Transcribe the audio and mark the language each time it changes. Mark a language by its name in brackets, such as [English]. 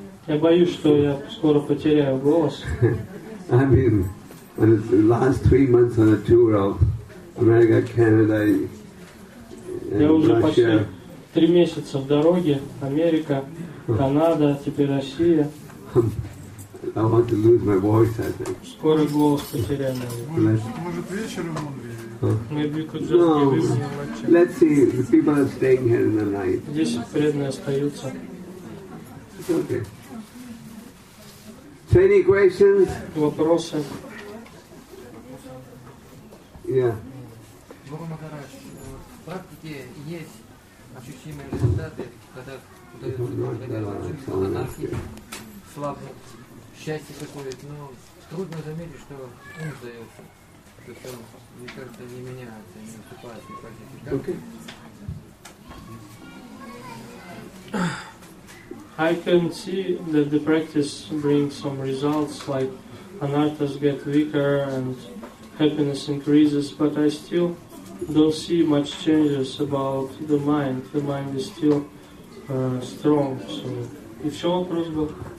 [Russian] Я боюсь, что я скоро потеряю голос. [English] I've been on the last 3 months on a tour of America, Canada, and Russia. [Russian] Я уже почти 3 месяца в дороге. Америка, Канада, теперь Россия. [English] I want to lose my voice, I think. [Russian] Скоро голос потеряю. Может, вечером он приедет? [English] No, let's see. The people are staying here in the night. [Russian] Здесь преданные остаются. [English] Okay. So any questions? [Russian] Вопросы? [English] Yeah. [Russian] В практике есть ощутимые результаты, когда удается монахи слабы. Счастье приходит, но трудно заметить, что ум сдается. То есть он, мне кажется, не меняется, не уступает, не пойдет. [English] I can see that the practice brings some results, like anarthas get weaker and happiness increases, but I still don't see much changes about the mind. The mind is still strong. So, [Russian] еще вопрос был?